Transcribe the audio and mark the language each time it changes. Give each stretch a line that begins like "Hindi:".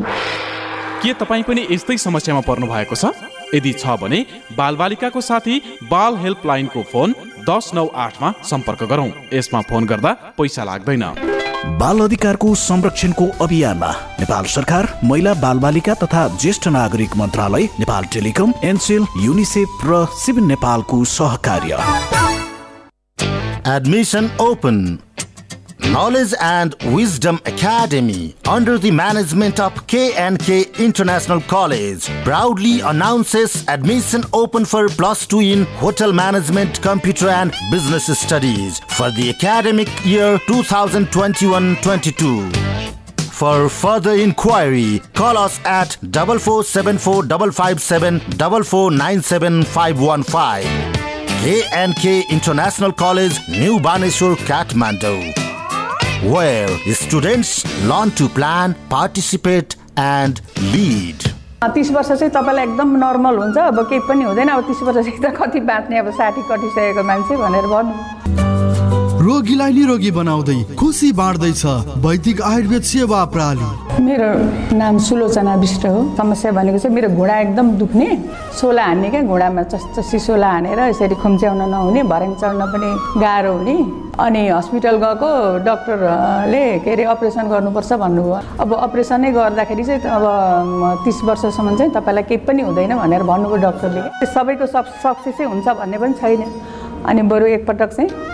Nepali: के तपाईँ पनि यस्तै समस्यामा पर्नु भएको छ यदि छ भने बालबालिकाको साथी बाल हेल्पलाइनको फोन 1098 सम्पर्क गरौँ यसमा फोन गर्दा पैसा लाग्दैन बाल अधिकारको संरक्षणको अभियानमा नेपाल सरकार महिला बालबालिका तथा ज्येष्ठ नागरिक मन्त्रालय नेपाल टेलिकम एनसेल युनिसेफ र सिभ नेपालको सहकार्य
English: Admission open. Knowledge and Wisdom Academy, under the management of K&K International College, proudly announces admission open for plus two in Hotel Management, Computer and Business Studies for the academic year 2021-22. For further inquiry, call us at 4474557-4497515. K&K International College, New Baneshwar, Kathmandu. Where students learn to plan, participate, and lead.
Nepali: 30 वर्ष चाहिँ तपाईलाई एकदम normal हुन्छ अब के पनि हुँदैन अब 30 वर्ष चाहिँ त कति बाँच्ने अब 60 कटिसकेको मान्छे भनेर भन्नु रोगीलाई निरोगी बनाउँदै खुशी बाँड्दै छ वैदिक आयुर्वेद सेवा प्रणाली मेरो नाम सुलोचना विष्ट हो समस्या भनेको चाहिँ मेरो घुँडा एकदम दुख्ने सोला हान्ने के घुँडामा चस्चसी सोला हानेर यसरी खुम्च्याउन नहुने भरिङ चढ्न पनि गाह्रो हुने अनि हस्पिटल गएको डाक्टरले के अरे अपरेसन गर्नुपर्छ भन्नुभयो अब अपरेसनै गर्दाखेरि चाहिँ अब 30 वर्षसम्म चाहिँ तपाईँलाई केही पनि हुँदैन भनेर भन्नुभयो डाक्टरले सबैको सक्सेसै हुन्छ भन्ने पनि छैन अनि बरु एकपटक चाहिँ